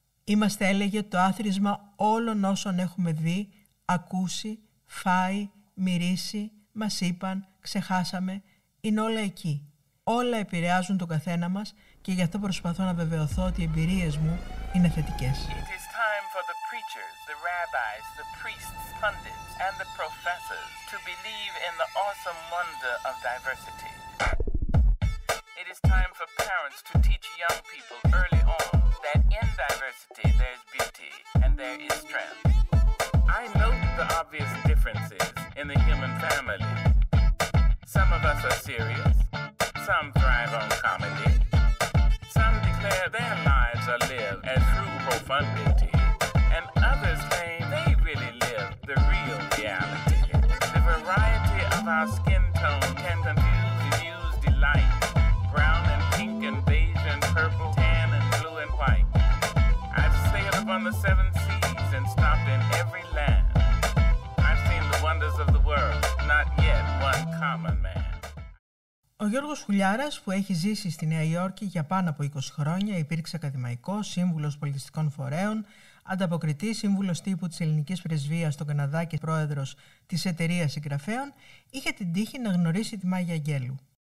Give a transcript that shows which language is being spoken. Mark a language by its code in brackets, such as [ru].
[el] Είμαστε, έλεγε, το άθροισμα όλων όσων έχουμε δει, ακούσει φάει, μυρίσει, μας είπαν, ξεχάσαμε, είναι όλα εκεί. Όλα επηρεάζουν τον καθένα μας και γι' αυτό προσπαθώ να βεβαιωθώ ότι οι εμπειρίες μου είναι θετικές. [en] It is time for the preachers, the rabbis, the priests, pundits and the professors to believe in the awesome wonder of diversity. It is time for parents to teach young people early on that in diversity there is beauty and there is strength. I note the obvious differences in the human family. Some of us are serious. Some thrive on comedy. Some declare their lives are lived as true profundity. And others claim they really live the real reality. The variety of our skin tone can confuse, amuse, delight. Brown and pink and beige and purple, tan and blue and white. I've sailed upon the seven seas and stopped in every land. I've seen the wonders of the world, not yet one common man. [el] Ο Γιώργος Χουλιάρας, που έχει ζήσει στη Νέα Υόρκη για πάνω από 20 χρόνια, υπήρξε ακαδημαϊκός, σύμβουλος πολιτιστικών φορέων, ανταποκριτής, σύμβουλος τύπου της Ελληνικής Πρεσβείας στον Καναδά και πρόεδρος της Εταιρείας Συγγραφέων, είχε την τύχη να γνωρίσει τη Μάγια Αγγέλου.